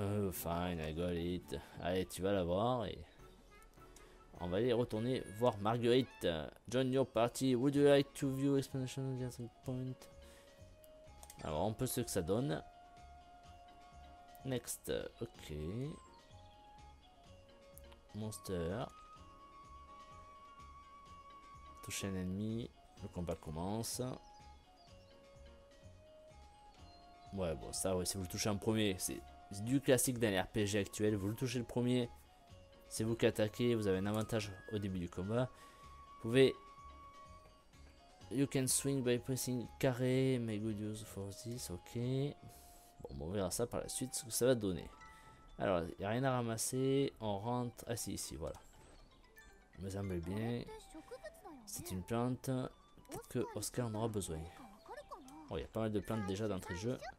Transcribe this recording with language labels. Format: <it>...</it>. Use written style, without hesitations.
<en>Fine, I got it.</en> <fr>Allez, tu vas la voir et on va aller retourner voir Marguerite.</fr> <en>Join your party. Would you like to view expansion of the gathering point?</en> <fr>Alors, on peut ce que ça donne.</fr> <en>Next, ok. Monster.</en> <fr>Toucher un ennemi. Le combat commence. Ouais, bon, ça, ouais, si vous le touchez en premier, c'est du classique d'un RPG actuel. Vous le touchez le premier, c'est vous qui attaquez. Vous avez un avantage au début du combat. Vous pouvez.</fr> <en>You can swing by pressing carré. Make good use for this. Ok.</en> <fr>Bon, on verra ça par la suite, ce que ça va donner. Alors, il n'y a rien à ramasser. On rentre. Ah, si, ici, voilà. Ça me semble bien. C'est une plante. Peut-être que Oscar en aura besoin. Oh, il y a pas mal de plantes déjà d'entrée de jeu.</fr>